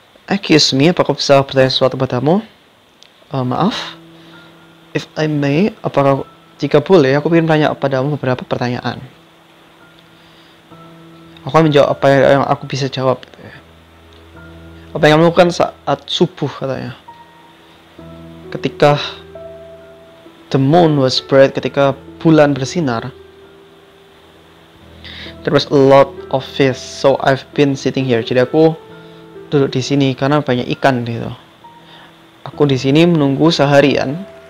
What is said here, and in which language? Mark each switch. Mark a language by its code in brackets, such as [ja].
[en] Excuse me, [id] apakah bisa bertanya sesuatu padamu? Maaf. [en] If I may, [id] apakah jika boleh, aku ingin bertanya padamu beberapa pertanyaan. Aku akan menjawab apa yang aku bisa jawab. Apa yang kamu lakukan saat subuh, katanya. Ketika [en] the moon was bright, [id] ketika bulan bersinar, [en] there was a lot of fish, so I've been sitting here. [id] Jadi aku duduk di sini karena banyak ikan gitu. Aku di sini menunggu seharian.